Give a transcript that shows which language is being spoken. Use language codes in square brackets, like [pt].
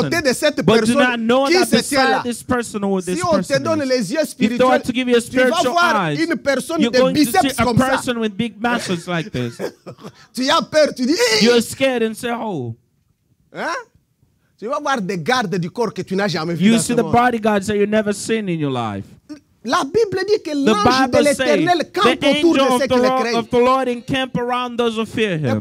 [fr] à côté de cette personne qui se tient là. [en] This person or this [fr] si on te donne les yeux spirituels, tu vas voir [en] eyes, [fr] une personne de biceps comme ça. [en] A person with big muscles like this. [fr] Tu as peur, tu dis. [en] You're scared and say, oh. Hein? [fr] Tu vas voir des gardes du corps que tu n'as jamais vu. [en] You see the bodyguards that you've never seen in your life. [fr] La Bible dit que l'ange de l'Éternel campe autour de ceux qui le craignent. [en] Of the Lord encamp around those who fear him.